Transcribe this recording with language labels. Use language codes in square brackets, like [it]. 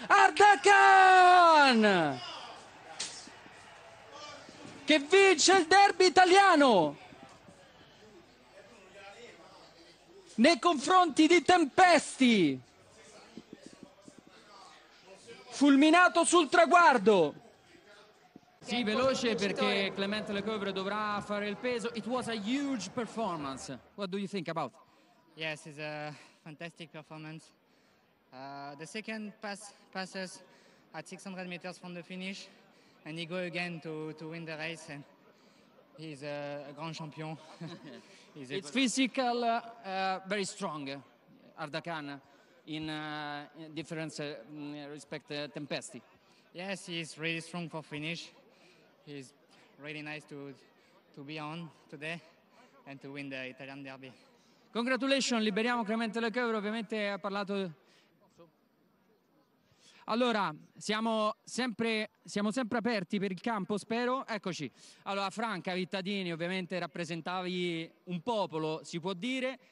[it] Ardacan che vince il derby italiano nei confronti di Tempesti, fulminato sul traguardo. Sì, veloce, perché Clement Lecoeuvre dovrà fare il peso. [en] It was a huge performance. What do you think about? Yes, it's a fantastic performance. The second passes at 600 meters from the finish, and he go again to win the race. And he's a grand champion. It's physical, very strong, Ardacan, in difference respect Tempesti. Yes, he's really strong for finish. He's really nice to be on today and to win the Italian Derby. Congratulations, [it] liberiamo Clement Lecoeuvre, ovviamente ha parlato. Allora, siamo sempre aperti per il campo, spero. Eccoci. Allora, Franca Vittadini, ovviamente rappresentavi un popolo, si può dire.